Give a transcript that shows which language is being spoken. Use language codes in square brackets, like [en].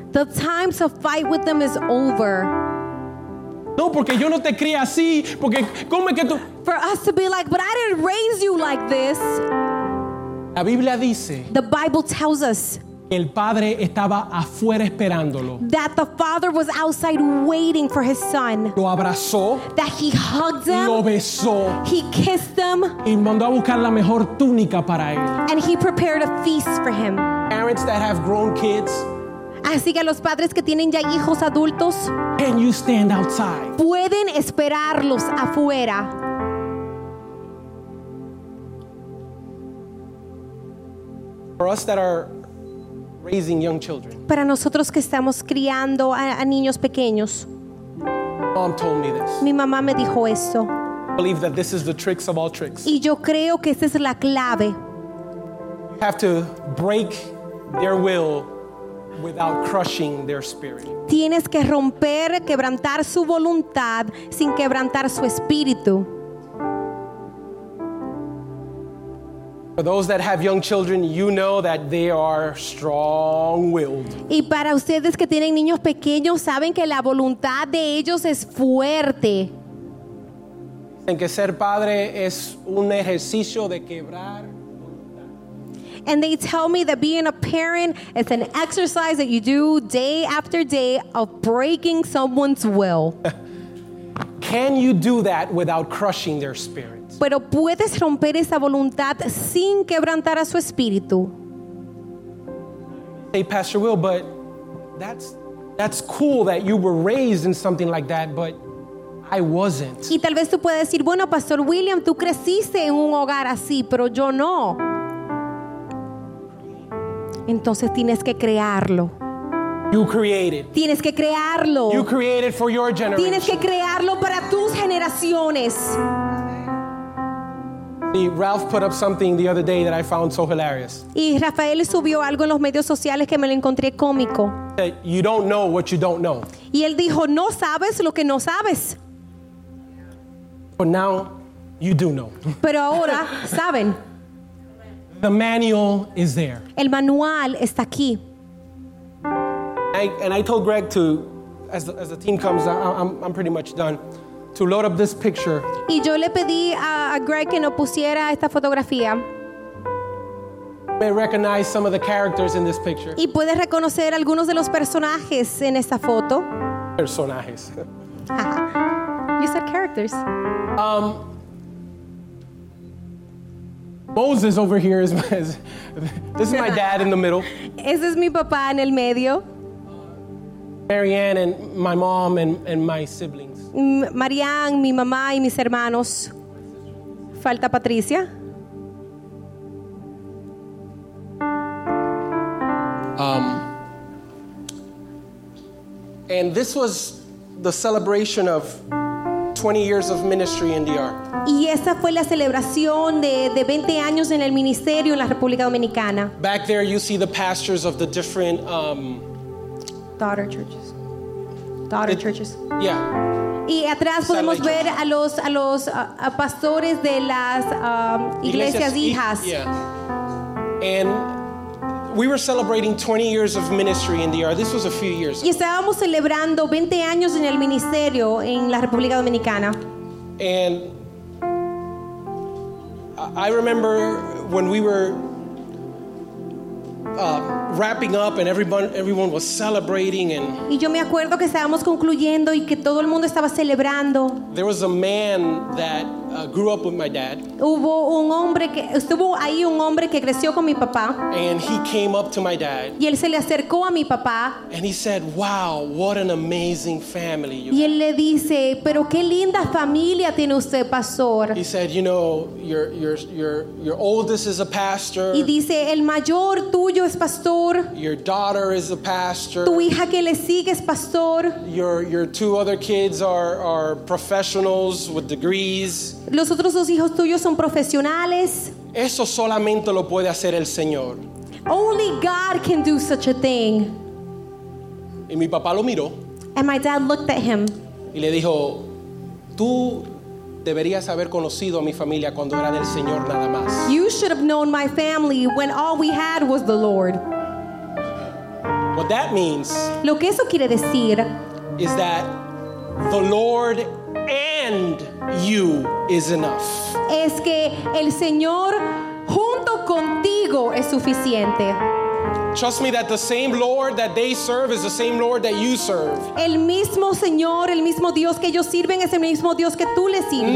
[en] The times of fight with them is over. [es] No, porque yo no te crié así, porque ¿cómo es que tú? [en] For us to be like, but I didn't raise you like this. [es] La Biblia dice. [en] The Bible tells us. [es] El padre estaba afuera esperándolo. [en] That the father was outside waiting for his son. [es] Lo abrazó. [en] That he hugged him. [es] Lo besó. [en] He kissed him. [es] Y mandó a buscar la mejor túnica para él. [en] And he prepared a feast for him. Parents that have grown kids. [es] Así que a los padres que tienen ya hijos adultos, [en] can you stand outside? [es] Pueden esperarlos afuera. [en] For us that are raising young children, [es] para nosotros que estamos criando a niños pequeños, [en] mom told me this. [es] Mi mamá me dijo esto. [en] I believe that this is the tricks of all tricks. [es] Y yo creo que esta es la clave. [en] You have to break their will without crushing their spirit. [es] Tienes que romper, quebrantar su voluntad sin quebrantar su espíritu. [en] For those that have young children, you know that they are strong-willed. [es] Y para ustedes que tienen niños pequeños, saben que la voluntad de ellos es fuerte. En que ser padre es un ejercicio de quebrar. [en] And they tell me that being a parent is an exercise that you do day after day of breaking someone's will. Can you do that without crushing their spirit? [es] Pero puedes romper esa voluntad sin quebrantar a su espíritu. [en] Hey, Pastor Will, but that's cool that you were raised in something like that, but I wasn't. [es] Y tal vez tú puedes decir, bueno, Pastor William, tú creciste en un hogar así, pero yo no. Entonces tienes que crearlo. [en] You created. [es] Tienes que crearlo. [en] You created for your generation. [es] Tienes que crearlo para tus generaciones. [en] See, Ralph put up something the other day that I found so hilarious. [es] Y Rafael subió algo en los medios sociales que me lo encontré cómico. [en] That you don't know what you don't know. [es] Y él dijo, no sabes lo que no sabes. [en] But now you do know. [es] Pero ahora saben. [en] The manual is there. [es] El manual está aquí. [en] And I told Greg to, as the team comes, I'm pretty much done, to load up this picture. [es] Y yo le pedí a Greg que no pusiera esta fotografía. [en] You may recognize some of the characters in this picture. [es] Y puedes reconocer algunos de los personajes en esta foto. Personajes. [en] You said characters. Moses over here is this is my dad in the middle. [es] Ese es mi papá en el medio. [en] Marianne and my mom and my siblings. [es] Marianne, mi mamá y mis hermanos. Falta Patricia. [en] And this was the celebration of 20 years of ministry in DR. [es] Y esa fue la celebración de 20 años en el ministerio en la República Dominicana. [en] Back there you see the pastors of the different daughter churches. Yeah. [es] Y atrás podemos ver a los pastores de las iglesias hijas. [en] Yeah. And we were celebrating 20 years of ministry in DR. This was a few years ago. [es] Y estábamos celebrando 20 años en el ministerio en la República Dominicana. [en] And I remember when we were wrapping up and everyone was celebrating and. [es] Y yo me acuerdo que estábamos concluyendo y que todo el mundo estaba celebrando. [en] There was a man that grew up with my dad. [es] Hubo un hombre que estuvo ahí, un hombre que creció con mi papá. [en] And he came up to my dad. [es] Y él se le acercó a mi papá. [en] And he said, "Wow, what an amazing family you have." [es] Y él le dice, "Pero qué linda familia tiene usted, pastor." [en] He said, "You know, your oldest is a pastor." [es] Y dice, "El mayor tuyo es pastor." [en] "Your daughter is a pastor." [es] Tu hija que le sigue es pastor. [en] Your two other kids are professionals with degrees. [es] Los otros dos hijos tuyos son profesionales. Eso solamente lo puede hacer el Señor. [en] Only God can do such a thing. [es] Y mi papá lo miró. [en] And my dad looked at him. [es] Y le dijo, tú deberías haber conocido a mi familia cuando era del Señor nada más. [en] You should have known my family when all we had was the Lord. What that means, [es] lo que eso quiere decir, [en] is that the Lord and you is enough. [es] Es que el Señor junto contigo es suficiente. [en] Trust me that the same Lord that they serve is the same Lord that you serve. [es] El mismo Señor, el mismo Dios que ellos sirven es el mismo Dios que tú le sirves.